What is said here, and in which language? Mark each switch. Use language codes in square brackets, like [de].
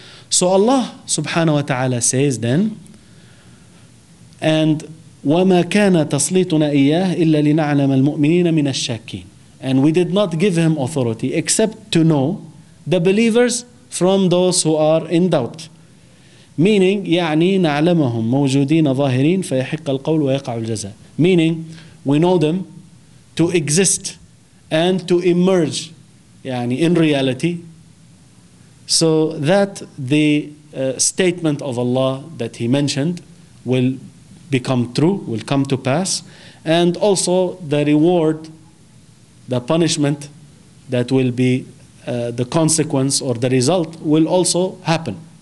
[en] So Allah subhanahu wa ta'ala says then, and [ar] وَمَا كَانَ تَصْلِيتُنَا إِيَّهِ إِلَّا لِنَعْلَمَ الْمُؤْمِنِينَ مِنَ الشَّاكِينَ, [en] and we did not give him authority except to know the believers from those who are in doubt. Meaning, [ar] يعني نعلمهم موجودين ظاهرين فيحق القول ويقع الجزاء. [en] Meaning, we know them to exist and to emerge يعني in reality, so that the statement of Allah that he mentioned will become true, will come to pass, and also the reward, the punishment that will be the consequence or the result will also happen.